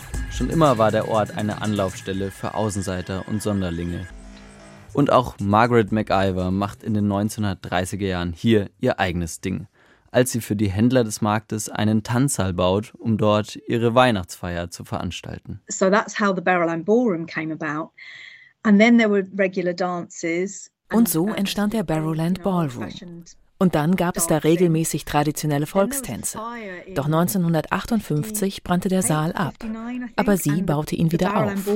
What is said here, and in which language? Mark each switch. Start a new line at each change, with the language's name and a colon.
German: Schon immer war der Ort eine Anlaufstelle für Außenseiter und Sonderlinge. Und auch Margaret MacIver macht in den 1930er Jahren hier ihr eigenes Ding, als sie für die Händler des Marktes einen Tanzsaal baut, um dort ihre Weihnachtsfeier zu veranstalten.
English: So that's how the Barrowland Ballroom came about. And then there were regular dances.
German: Und so entstand der Barrowland Ballroom. Und dann gab es da regelmäßig traditionelle Volkstänze. Doch 1958 brannte der Saal ab. Aber sie baute ihn wieder auf.